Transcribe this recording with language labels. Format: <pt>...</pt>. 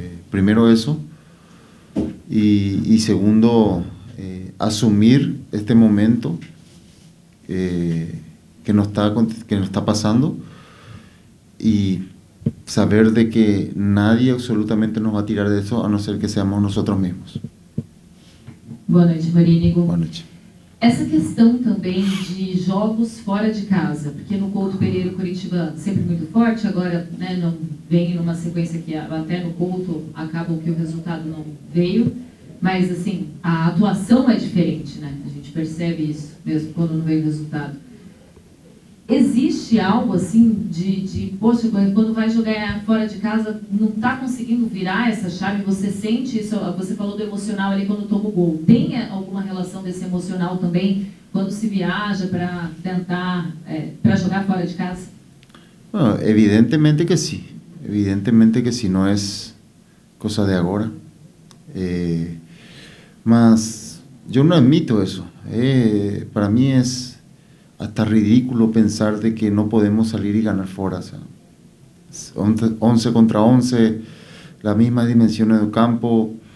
<es>Primero eso, y segundo, asumir este momento que nos está pasando, y saber de que nadie absolutamente nos va a tirar de eso a no ser que seamos nosotros mismos.</es> <pt>Boa noite, Marínigo. Boa noite. Essa questão também de jogos fora de casa, porque no Couto Pereira, Coritiba sempre muito forte, agora né, não vem numa sequência que até no Couto acaba que o resultado não veio, mas assim, a atuação é diferente, né? A gente percebe isso mesmo quando não vem o resultado. Existe algo assim de poxa, quando vai jogar fora de casa, não está conseguindo virar essa chave? Você sente isso? Você falou do emocional ali quando toma o gol. Tem alguma relação desse emocional também quando se viaja para tentar, para jogar fora de casa?</pt> <es>Bueno, evidentemente que sim.</es> <pt>Evidentemente que sim. Não é coisa de agora. Mas eu não admito isso. Para mim é</pt> <es>hasta ridículo pensar de que no podemos salir y ganar fuera. O sea, 11 contra 11, las mismas dimensiones del campo.</es>